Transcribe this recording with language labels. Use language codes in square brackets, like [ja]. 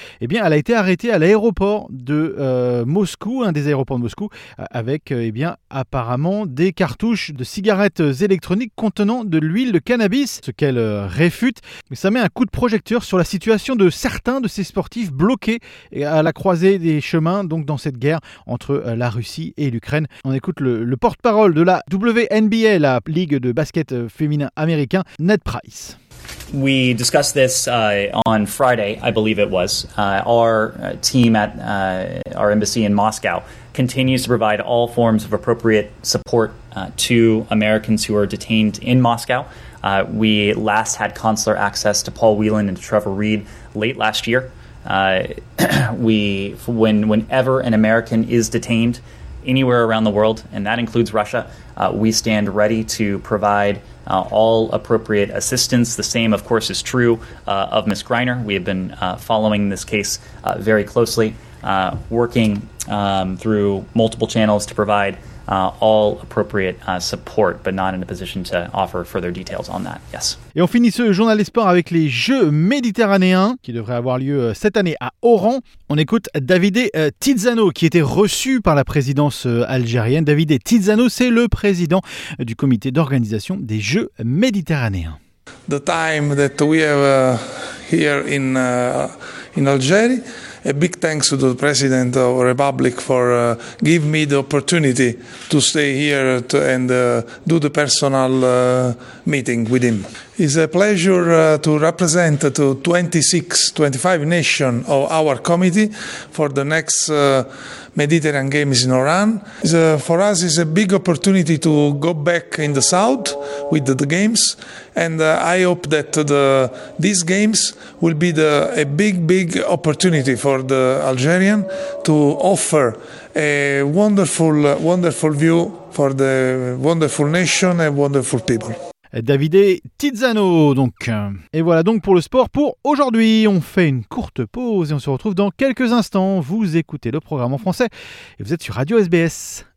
[fr] Eh bien, elle a été arrêtée à l'aéroport de Moscou, un des aéroports de Moscou, avec apparemment des cartouches de cigarettes électroniques contenant de l'huile de cannabis, ce qu'elle réfute. Mais ça met un coup de projecteur sur la situation de certains de ces sportifs bloqués à la croisée des chemins, donc dans cette guerre entre la Russie et l'Ukraine. On écoute le porte-parole de la WNBA, la ligue de basket féminin américain, Ned Price. [en] We discussed this on Friday, I believe it was. Our team at our embassy in Moscow continues to provide all forms of appropriate support to Americans who are detained in Moscow. We last had consular access to Paul Whelan and Trevor Reed late last year. Whenever an American is detained anywhere around the world, and that includes Russia, we stand ready to provide all appropriate assistance. The same, of course, is true of Ms. Griner. We have been following this case very closely, working through multiple channels to provide all appropriate support, but not in a position to offer further details on that. Yes. [fr] Et on finit ce journal des sports avec les Jeux méditerranéens qui devraient avoir lieu cette année à Oran. On écoute Davide Tizzano qui était reçu par la présidence algérienne. Davide Tizzano, c'est le président du comité d'organisation des Jeux méditerranéens. [en] The time that we have here in Algeria, a big thanks to the President of the Republic for giving me the opportunity to stay here to, and do the personal meeting with him. It's a pleasure to represent to 25 nations of our committee for the next Mediterranean Games in Oran. For us, it's a big opportunity to go back in the south with the games, and I hope that these games will be a big, big opportunity for the Algerian to offer a wonderful, wonderful view for the wonderful nation and wonderful people. [fr] Davide Tizzano, donc. Et voilà donc pour le sport pour aujourd'hui. On fait une courte pause et on se retrouve dans quelques instants. Vous écoutez le programme en français et vous êtes sur Radio SBS.